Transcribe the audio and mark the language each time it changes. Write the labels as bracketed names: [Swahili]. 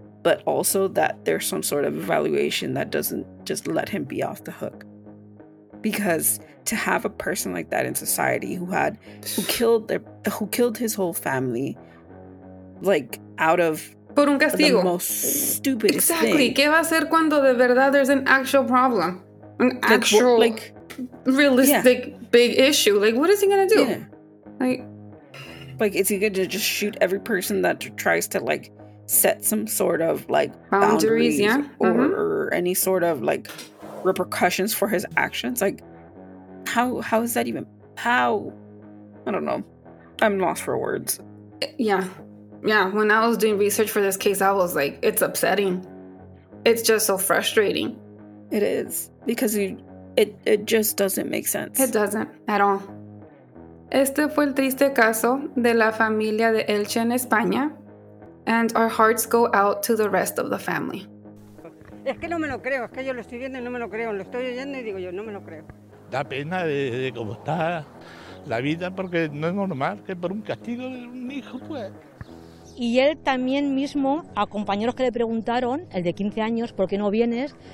[English] But also that there's some sort of evaluation that doesn't just let him be off the hook. Because to have a person like that in society who killed his whole family, like, out of [Spanish] por un castigo. [English] The most stupidest thing. Exactly. [Spanish] ¿Qué va a hacer cuando de verdad [English] there's an actual problem? an actual, like realistic big issue. Like, what is he gonna do? Like, is he gonna just shoot every person that tries to, like, set some sort of, like, boundaries or any sort of, like, repercussions for his actions? Like, how is that even, how, I don't know, I'm lost for words. Yeah, when I was doing research for this case, I was like, it's upsetting. It's just so frustrating. It is, because it just doesn't make sense. It doesn't at all. [Spanish] Este fue el triste caso de la familia de Elche en España. [English] And our hearts go out to the rest of the family. [Spanish] Es que no me lo creo, es que yo lo estoy viendo y no me lo creo. Lo estoy oyendo y digo yo, no me lo creo. Da pena de cómo está la vida, porque no es normal que por un castigo de un hijo, pues. Y él también mismo, a compañeros que le preguntaron, el de 15 años, ¿por qué no vienes?